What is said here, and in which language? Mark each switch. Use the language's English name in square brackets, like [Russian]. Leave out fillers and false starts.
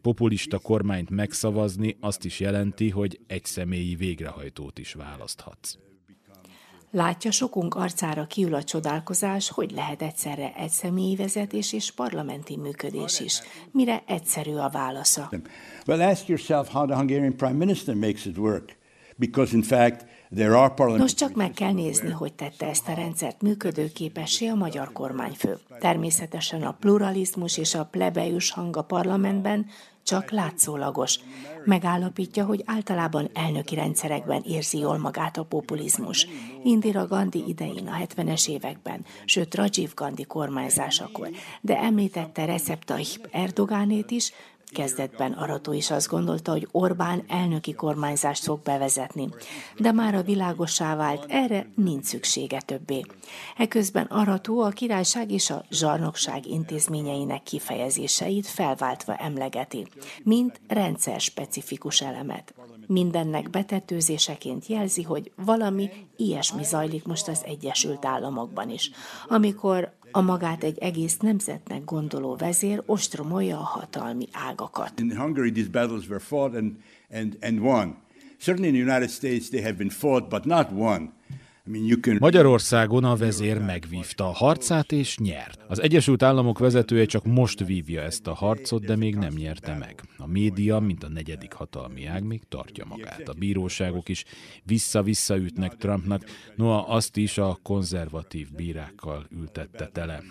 [Hungarian] Populista kormányt megszavazni azt is jelenti, hogy egy személyi végrehajtót is választhatsz. Látja, sokunk arcára kiül a csodálkozás, hogy lehet egyszerre egy személyi vezetés és parlamenti működés is. Mire egyszerű a válasza? [English] Well, ask yourself how the Hungarian Prime Minister makes it work, because in fact there are parliamentary. [Hungarian] Nos, csak meg kell nézni, hogy tette ezt a rendszert működőképessé a magyar kormányfő. Természetesen a pluralizmus és a plebejus hang a parlamentben csak látszólagos. Megállapítja, hogy általában elnöki rendszerekben érzi jól magát a populizmus. Indira Gandhi idején, a 70-es években, sőt Rajiv Gandhi kormányzásakor, de említette Recep Tayyip Erdoganét is. Kezdetben Arató is azt gondolta, hogy Orbán elnöki kormányzást fog bevezetni, de már a világossá vált, erre nincs szüksége többé. Eközben Arató a királyság és a zsarnokság intézményeinek kifejezéseit felváltva emlegeti, mint rendszer specifikus elemet. Mindennek betetőzéseként jelzi, hogy valami ilyesmi zajlik most az Egyesült Államokban is, amikor a magát egy egész nemzetnek gondoló vezér ostromolja a hatalmi ágakat. [English] In Hungary these battles were fought and won. Certainly in the United States they have been fought, but not won. [Hungarian] Magyarországon a vezér megvívta a harcát és nyert. Az Egyesült Államok vezetője csak most vívja ezt a harcot, de még nem nyerte meg. A média, mint a negyedik hatalmi ág, még tartja magát. A bíróságok is vissza-vissza ütnek Trumpnak, noha azt is a konzervatív bírákkal ültette tele.